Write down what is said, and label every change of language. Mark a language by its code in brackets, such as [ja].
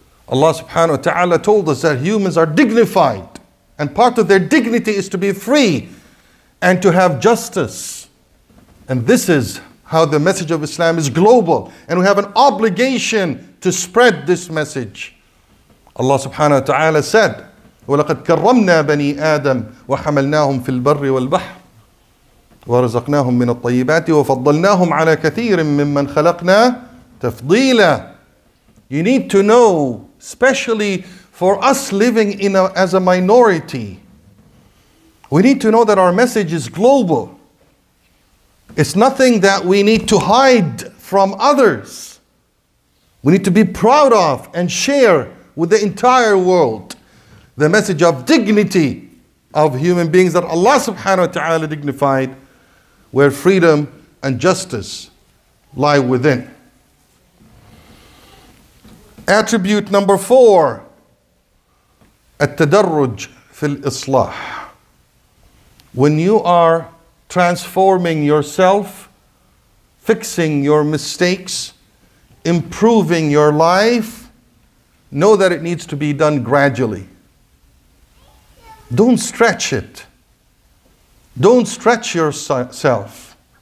[en] Allah subhanahu wa ta'ala told us that humans are dignified. And part of their dignity is to be free and to have justice. And this is how the message of Islam is global. And we have an obligation to spread this message. [ar] Allah subhanahu wa ta'ala said, وَلَقَدْ كَرَّمْنَا بَنِي آدَمَ وَحَمَلْنَاهُمْ فِي الْبَرِّ وَالْبَحْرِ وَرَزَقْنَاهُمْ مِنَ الطَّيِّبَاتِ وَفَضَّلْنَاهُمْ عَلَى كَثِيرٍ مِّمَّنْ خَلَقْنَا تَفْضِيلًا. [en] You need to know, especially for us living in as a minority, we need to know that our message is global. It's nothing that we need to hide from others. We need to be proud of and share with the entire world the message of dignity of human beings that Allah subhanahu wa ta'ala dignified, where freedom and justice lie within. Attribute number 4, [ar] التدرج في الإصلاح. [en] When you are transforming yourself, fixing your mistakes, improving your life, know that it needs to be done gradually. Don't stretch it. Don't stretch yourself.